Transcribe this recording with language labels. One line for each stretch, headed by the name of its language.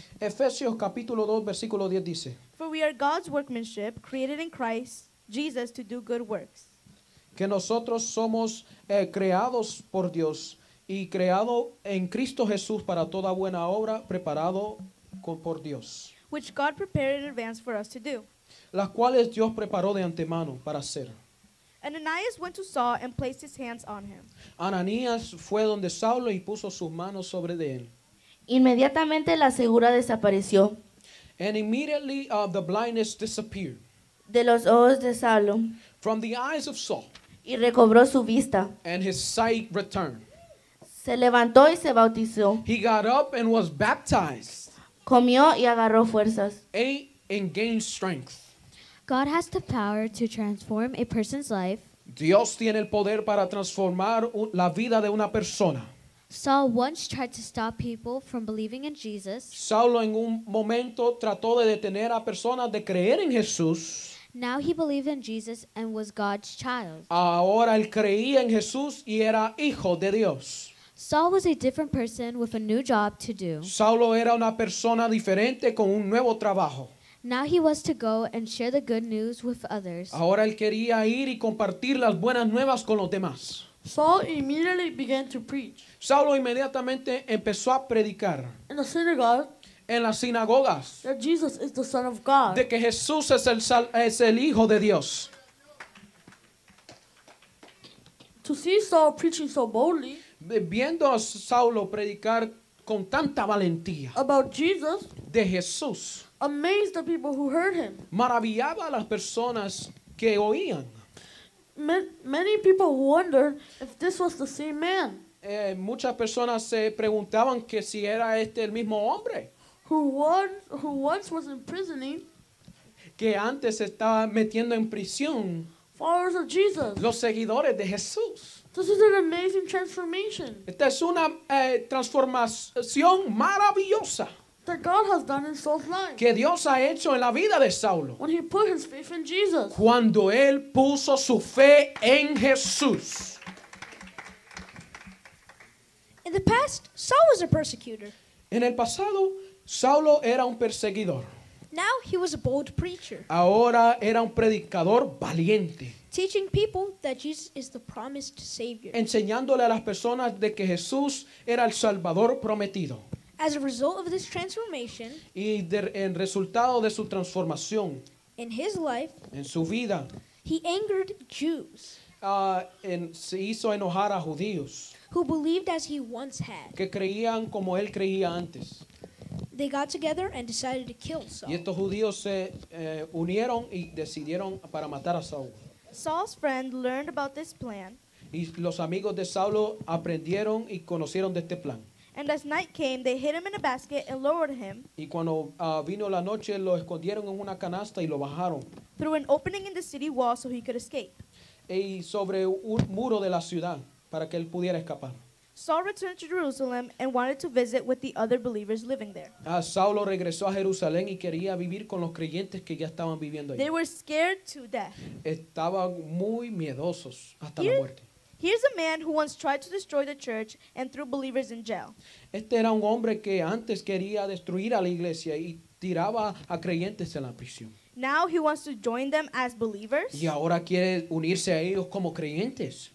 Spanish: Efesios capítulo 2 versículo 10 dice,
English: for we are God's workmanship created in Christ Jesus to do good works.
Spanish: Que nosotros somos creados por Dios y creado en Cristo Jesús para toda buena obra preparado por Dios.
English: Which God prepared in advance for us to do.
Spanish: Las cuales Dios preparó de antemano para hacer.
English: Ananias went to Saul and placed his hands on him.
Spanish: Ananías fue donde Saulo y puso sus manos sobre de él. Inmediatamente la ceguera desapareció.
English: And immediately the blindness disappeared.
Spanish: De los ojos de Saulo.
English: From the eyes of Saul.
Spanish: Y recobró su vista.
English: And his sight returned.
Spanish: Se levantó y se bautizó.
English: He got up and was baptized.
Spanish: Comió y agarró fuerzas.
English: Ate and gained strength. God has the power to transform a person's life.
Spanish: Dios tiene el poder para transformar la vida de una persona.
English: Saul once tried to stop people from believing in Jesus.
Spanish: Saulo en un momento trató de detener a personas de creer en Jesús.
English: Now he believed in Jesus and was God's child.
Spanish: Ahora él creía en Jesús y era hijo de Dios.
English: Saul was a different person with a new job to do.
Spanish: Saulo era una persona diferente con un nuevo trabajo.
English: Now he was to go and share the good news with others.
Spanish: Ahora él quería ir y compartir las buenas nuevas con los demás.
English: Saul immediately began to preach.
Spanish: Saulo inmediatamente empezó a predicar.
English: In the synagogue.
Spanish: En las sinagogas.
English: That Jesus is the Son of God.
Spanish: De que Jesús es el Hijo de Dios.
English: To see Saul preaching so boldly.
Spanish: Viendo a Saulo predicar con tanta valentía.
English: About Jesus.
Spanish: De Jesús.
English: Amazed the people who heard him.
Spanish: Maravillaba a las personas que oían.
English: Many people wondered if this was the same man.
Spanish: Muchas personas se preguntaban que si era este el mismo hombre.
English: Who once was imprisoning.
Spanish: Que antes estaba metiendo en prisión.
English: Followers of Jesus.
Spanish: Los seguidores de Jesús.
English: This is an amazing transformation.
Spanish: Esta es una transformación maravillosa.
English: That God has done in Saul's life.
Spanish: Que Dios ha hecho en la vida de Saulo.
English: When he put his faith in Jesus.
Spanish: Cuando él puso su fe en Jesús.
English: In the past, Saul was a persecutor.
Spanish: En el pasado, Saulo era un perseguidor.
English: Now he was a bold preacher.
Spanish: Ahora era un predicador valiente.
English: Teaching people that Jesus is the promised Savior.
Spanish: Enseñándole a las personas de que Jesús era el Salvador prometido.
English: As a result of this transformation,
Spanish: y de, en resultado de su transformación,
English: in his life,
Spanish: en su vida,
English: he angered Jews.
Spanish: Se hizo enojar a judíos.
English: Who believed as he once had.
Spanish: Que creían como él creía antes.
English: They got together and decided to kill Saul.
Spanish: Y estos judíos se unieron y decidieron para matar a Saul.
English: Saul's friend learned about this plan.
Spanish: Y los amigos de Saulo aprendieron y conocieron de este plan.
English: And as night came, they hid him in a basket and lowered him.
Spanish: Y cuando vino la noche, lo escondieron en una canasta y lo bajaron.
English: Through an opening in the city wall so he could escape.
Spanish: Y sobre un muro de la ciudad para que él pudiera escapar.
English: Saul returned to Jerusalem and wanted to visit with the other believers living there.
Spanish: Saulo regresó a Jerusalén y quería vivir con los creyentes que ya estaban viviendo ahí.
English: They were scared to death.
Spanish: Estaban muy miedosos hasta la muerte.
English: Here's a man who once tried to destroy the church and threw believers in jail.
Spanish: Este era un hombre que antes quería destruir a la iglesia y tiraba a creyentes en la prisión.
English: Now he wants to join them as believers.
Spanish: Y ahora quiere unirse a ellos como creyentes.